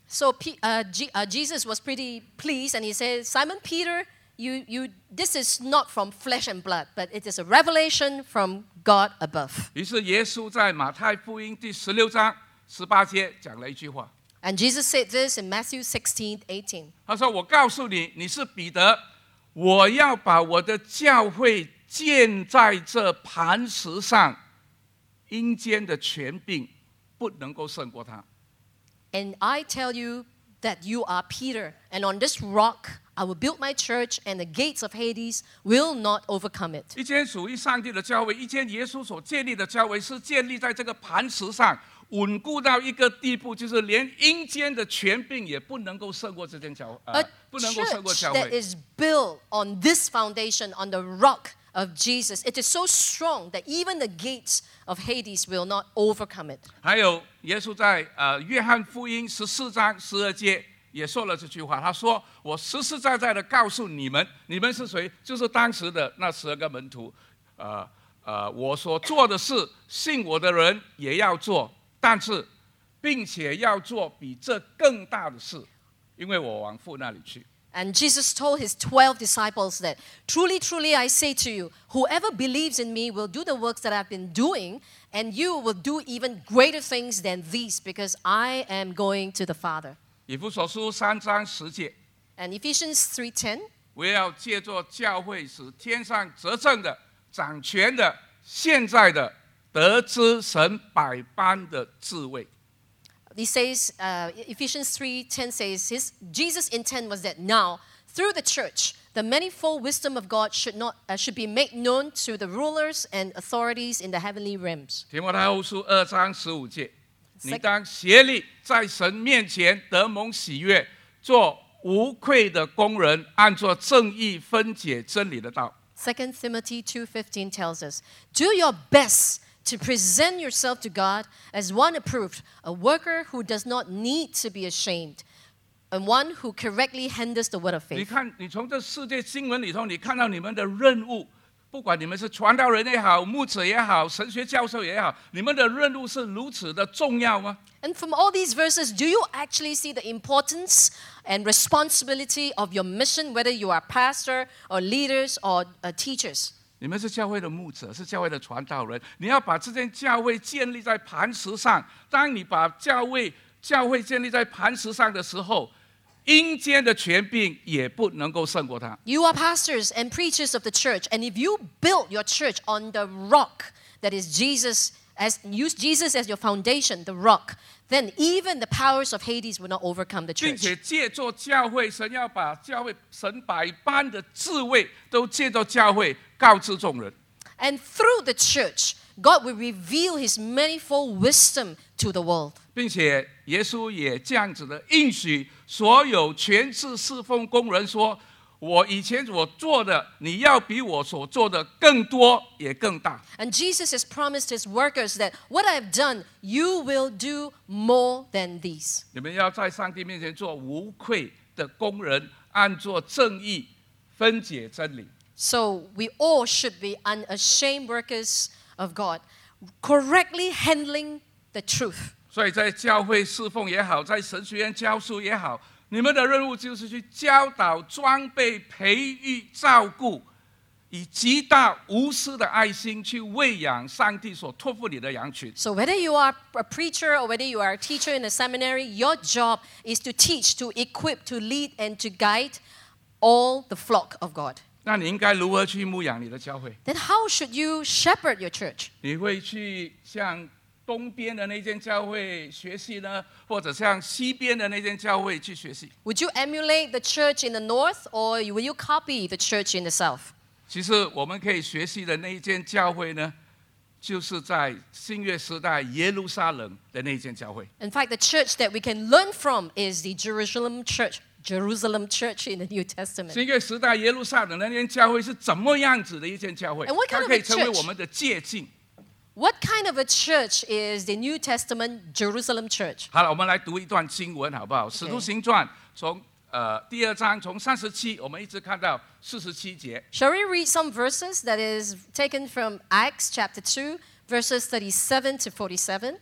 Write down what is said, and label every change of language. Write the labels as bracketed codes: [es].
[en] So Jesus was pretty pleased, and he said, "Simon Peter, you, this is not from flesh and blood, but it is a revelation from God above." [zh] 于是耶稣在马太福音第十六章十八节讲了一句话。 [en] And Jesus said this in Matthew 16:18. [zh] 他说：“我告诉你，你是彼得。” 我要把我的教会建在这磐石上，阴间的权柄不能够胜过它。 [en] And I tell you that you are Peter, and on this rock I will build my church, and the gates of Hades will not overcome it. [zh] 一间属于上帝的教会，一间耶稣所建立的教会，是建立在这个磐石上，稳固到一个地步，就是连阴间的权柄也不能够胜过这间教会。 [en] A church that is built on this foundation, on the rock of Jesus, it is so strong that even the gates of Hades will not overcome it. [zh] 还有耶稣在约翰福音十四章十二节也说了这句话，他说：“我实实在在的告诉你们，你们是谁？就是当时的那十二个门徒。我所做的事，信我的人也要做，但是，并且要做比这更大的事。” 因为我往父那里去。 [en] And Jesus told his 12 disciples that, Truly, truly, I say to you, whoever believes in me will do the works that I've been doing, and you will do even greater things than these, because I am going to the Father. [zh] 以弗所书三章十节。 [en] And Ephesians 3:10. [zh] 我要借着教会使天上执政的、掌权的、现在的得知神百般的智慧。 [en] He says, Ephesians 3:10 says, Jesus' intent was that now, through the church, the manifold wisdom of God should be made known to the rulers and authorities in the heavenly realms. [zh] 提摩太后书二章十五节，你当竭力在神面前得蒙喜悦，做无愧的工人，按着正义分解真理的道。 [en] 2 Timothy 2:15 tells us, Do your best to present yourself to God as one approved, a worker who does not need to be ashamed, and one who correctly handles the word of faith. [zh] 你看，你从这世界新闻里头，你看到你们的任务，不管你们是传道人也好，牧者也好，神学教授也好，你们的任务是如此的重要吗？ [en] And from all these verses, do you actually see the importance and responsibility of your mission, whether you are pastor or leaders or teachers? [zh] 你们是教会的牧者，是教会的传道人，你要把这间教会建立在磐石上。当你把教会建立在磐石上的时候，阴间的权柄也不能够胜过它。 [en] You are pastors and preachers of the church, and if you build your church on the rock that is Jesus, as use Jesus as your foundation, the rock, then even the powers of Hades will not overcome the church. [zh] 并且借着教会，神要把教会神百般的智慧都借着教会告知众人。 [en] And through the church, God will reveal His manifold wisdom to the world. [zh] 并且耶稣也这样子的应许所有全职侍奉工人说，我以前我做的，你要比我所做的更多，也更大。 [en] And Jesus has promised His workers that what I have done, you will do more than these. [zh] 你们要在上帝面前做无愧的工人，按作正义，分解真理。 [en] So we all should be unashamed workers of God, correctly handling the truth. [zh] 所以在教会侍奉也好，在神学院教书也好，你们的任务就是去教导、装备、培育、照顾，以极大无私的爱心去喂养上帝所托付你的羊群。 [en] So whether you are a preacher or whether you are a teacher in a seminary, your job is to teach, to equip, to lead, and to guide all the flock of God. [zh] 那你应该如何去牧养你的教会？ [en] Then how should you shepherd your church? [zh] 你会去像东边的那间教会学习呢，或者像西边的那间教会去学习？ [en] Would you emulate the church in the north, or will you copy the church in the south? [zh] 其实我们可以学习的那间教会呢，就是在新约时代耶路撒冷的那间教会。 [en] In fact, the church that we can learn from is the Jerusalem church, Jerusalem church in the New Testament. [zh] 新约时代耶路撒冷的那间教会是怎么样子的一间教会？ [en] And what kind of a church? [zh] 它可以成为我们的借镜。 [en] What kind of a church is the New Testament Jerusalem church? [zh] 好了，我们来读一段经文好不好？使徒行传从第二章从三十七，我们一直看到四十七节。 [en] Shall we read some verses that is taken from Acts chapter 2, verses 37 to 47?